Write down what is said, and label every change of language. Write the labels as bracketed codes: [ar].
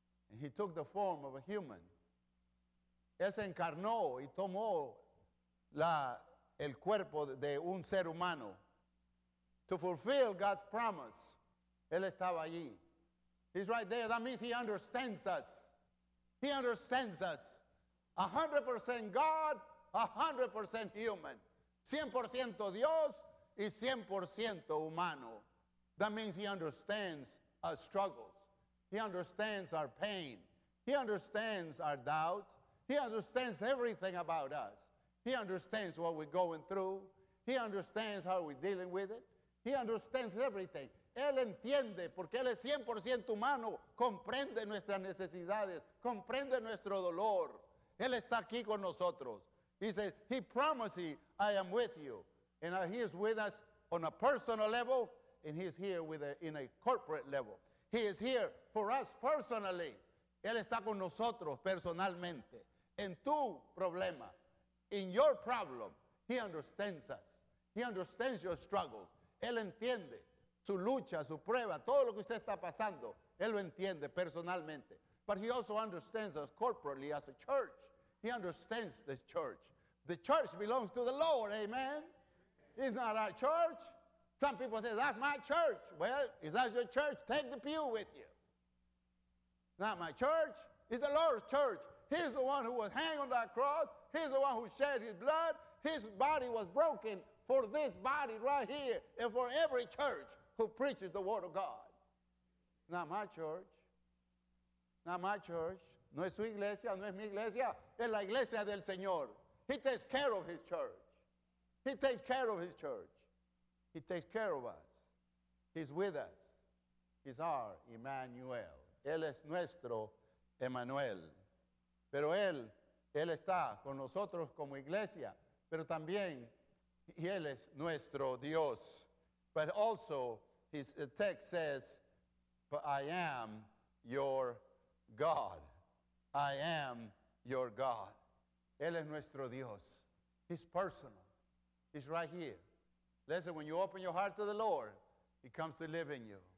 [en] And he took the form of a human. [es] Él se encarnó y tomó el cuerpo de un ser humano. [en] To fulfill God's promise, [es] él estaba allí. [en] He's right there. That means he understands us. He understands us. 100% God, 100% human. [es] 100% Dios y 100% humano. [en] That means he understands our struggles. He understands our pain. He understands our doubts. He understands everything about us. He understands what we're going through. He understands how we're dealing with it. He understands everything. [es] Él entiende, porque Él es 100% humano, comprende nuestras necesidades, comprende nuestro dolor. Él está aquí con nosotros. [en] He says, he promises, I am with you. And he is with us on a personal level, and he is here in a corporate level. He is here for us personally. [es] Él está con nosotros personalmente. En tu problema, [en] in your problem, he understands us. He understands your struggles. [es] Él entiende. Su lucha, su prueba, todo lo que usted está pasando, él lo entiende personalmente. [en] But he also understands us corporately as a church. He understands the church. The church belongs to the Lord, amen? It's not our church. Some people say, that's my church. Well, if that's your church, take the pew with you. Not my church. It's the Lord's church. He's the one who was hanged on that cross. He's the one who shed his blood. His body was broken for this body right here and for every church who preaches the word of God. Not my church. Not my church. [es] No es su iglesia, no es mi iglesia. es la iglesia del Señor. [en] He takes care of his church. He takes care of his church. He takes care of us. He's with us. He's our Emmanuel. [es] Él es nuestro Emmanuel. Pero él está con nosotros como iglesia, pero también él es nuestro Dios. [en] But also, his text says, but I am your God. I am your God. [es] Él es nuestro Dios. [en] He's personal. He's right here. Listen, when you open your heart to the Lord, he comes to live in you.